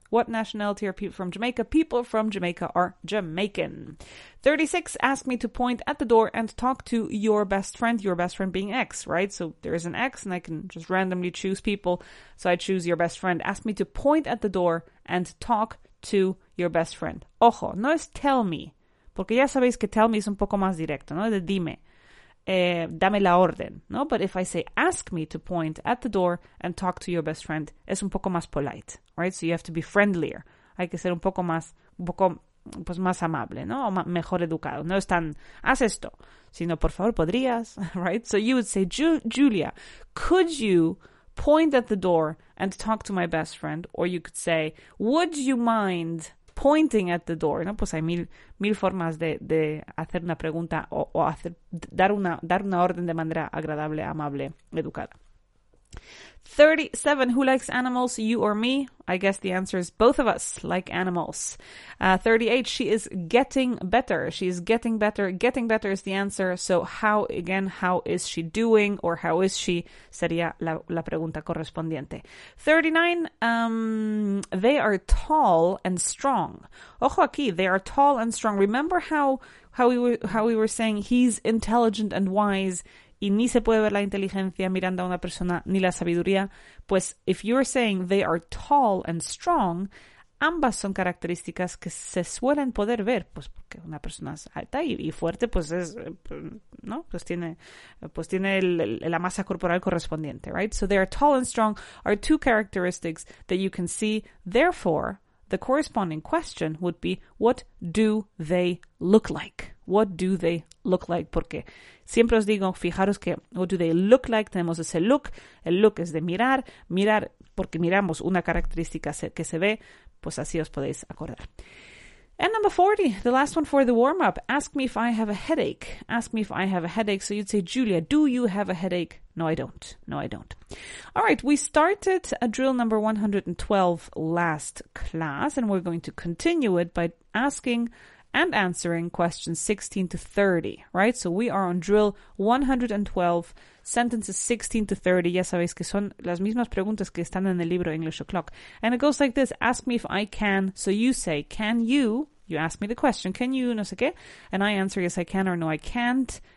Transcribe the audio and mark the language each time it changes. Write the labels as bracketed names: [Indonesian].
[English] What nationality are people from Jamaica? People from Jamaica are Jamaican. 36, ask me to point at the door and talk to your best friend being X, right? So there is an X and I can just randomly choose people. So I choose your best friend. Ask me to point at the door and talk to your best friend. [Spanish] Ojo, no es [English] tell me, [Spanish] porque ya sabéis que tell me es un poco más directo, ¿no? De dime. Dame la orden, ¿no? [English] But if I say, ask me to point at the door and talk to your best friend, [Spanish] es un poco más [English] polite, right? So you have to be friendlier. [Spanish] Hay que ser un poco más amable, ¿no? O mejor educado. No es tan, haz esto, sino, por favor, podrías, right? [English] So you would say, Julia, could you point at the door and talk to my best friend? Or you could say, would you mind pointing at the door, ¿no? [Spanish] Pues hay mil formas de hacer una pregunta o hacer dar una orden de manera agradable, amable, educada. [English] 37, who likes animals, you or me? I guess the answer is both of us like animals. 38, she is getting better. She is getting better. Getting better is the answer. So how is she doing or how is she? [Spanish] Sería la pregunta correspondiente. [English] 39, they are tall and strong. [Spanish] Ojo aquí, [English] they are tall and strong. Remember how we were saying he's intelligent and wise. [Spanish] Y ni se puede ver la inteligencia mirando a una persona, ni la sabiduría. Pues, [English] if you're saying they are tall and strong, [Spanish] ambas son características que se suelen poder ver. Pues, porque una persona es alta y fuerte, pues es, ¿no? Pues tiene la masa corporal correspondiente, right? [English] So, they are tall and strong are two characteristics that you can see. Therefore, the corresponding question would be, what do they look like? What do they look like? [Spanish] Porque siempre os digo, fijaros que, [English] what do they look like? [Spanish] Tenemos ese look. El look es de mirar. Mirar, porque miramos una característica que se ve. Pues así os podéis acordar. [English] And number 40, the last one for the warm-up. Ask me if I have a headache. Ask me if I have a headache. So you'd say, Julia, do you have a headache? No, I don't. No, I don't. All right, we started a drill number 112 last class, and we're going to continue it by asking and answering questions 16 to 30, right? So we are on drill 112, sentences 16 to 30. [Spanish] Ya sabéis que son las mismas preguntas que están en el libro English O'Clock. [English] And it goes like this, ask me if I can. So you say, can you? You ask me the question, can you [Spanish] no sé qué? [English] And I answer, yes, I can or no, I can't.